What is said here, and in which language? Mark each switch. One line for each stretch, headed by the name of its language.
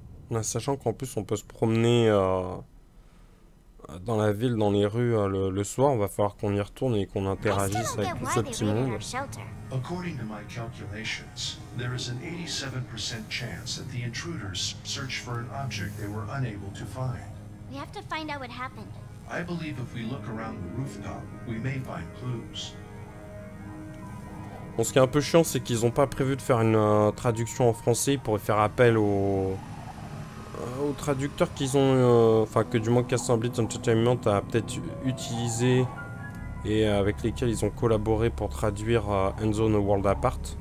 French: Là, sachant qu'en plus on peut se promener dans la ville, dans les rues, le soir, on va falloir qu'on y retourne et qu'on interagisse avec tout ce petit monde.
English: According to my calculations, there is an 87% chance that the intruders search for an object they were unable to find. We have to find out what happened. I believe if we look around the rooftop, we may find clues.
French: Bon, ce qui est un peu chiant, c'est qu'ils n'ont pas prévu de faire une traduction en français. Ils pourraient faire appel au traducteur qu'ils ont... Enfin, que du moins qu'Assembly Entertainment a peut-être utilisé et avec lesquels ils ont collaboré pour traduire Enzo No World Apart.